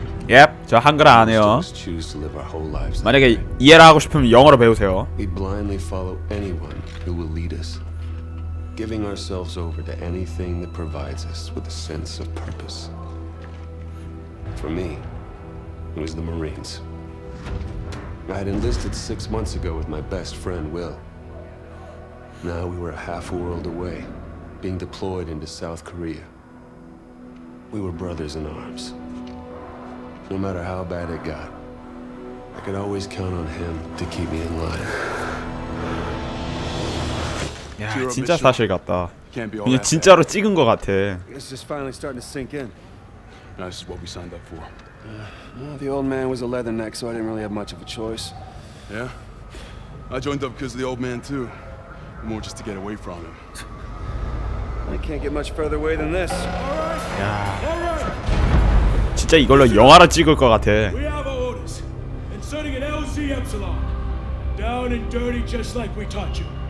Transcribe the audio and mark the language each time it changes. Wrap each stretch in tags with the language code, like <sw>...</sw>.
<ko>예, 저 한글 안 해요. 만약에 이해를 하고 싶으면 영어로 배우세요.</ko> <en>We blindly follow anyone who will lead us, giving ourselves over to anything that provides us with a sense of purpose. For me, it was the Marines. I had enlisted 6 months ago with my best friend Will. Now we were a half world away, being deployed into South Korea. We were brothers in arms. No matter how bad it got, I could always count on him to keep me in line.</en> <ko>야, 진짜 사실 같다. 그냥 진짜로 찍은 거 같아.</ko> <en>It's just finally starting to sink in. This is what we signed up for. Well, the old man was a leatherneck, so I didn't really have much of a choice. Yeah? I joined up because of the old man too. More just to get away from him. I can't get much further away than this.</en> <ko>야, 진짜 이걸로 영화를 찍을 거 같아.</ko> <en>We have orders. Inserting an LZ Epsilon. Down and dirty just like we taught you.</en>